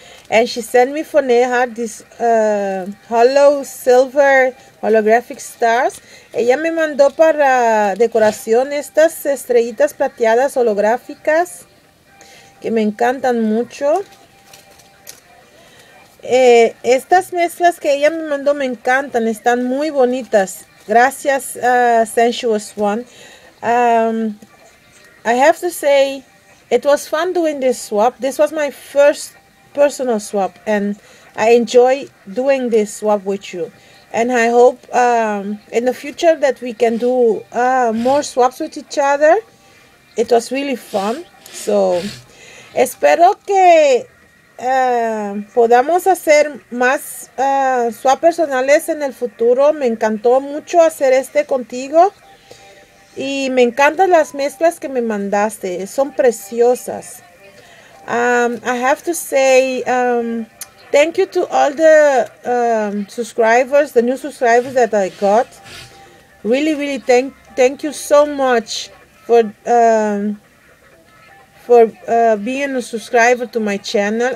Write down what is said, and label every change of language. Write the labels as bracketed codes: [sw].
[en] And she sent me for Neha this hollow silver holographic stars. [es] Ella me mandó para decoración estas estrellitas plateadas holográficas que me encantan mucho. Estas mezclas que ella me mandó me encantan, están muy bonitas. Gracias, Sensuous One. [en] I have to say, it was fun doing this swap. This was my first personal swap, and I enjoy doing this swap with you. And I hope in the future that we can do more swaps with each other. It was really fun. [es] So, espero que podamos hacer más swap personales en el futuro. Me encantó mucho hacer este contigo y me encantan las mezclas que me mandaste, son preciosas. [en] I have to say thank you to all the subscribers, the new subscribers that I got. Really thank you so much for being a subscriber to my channel.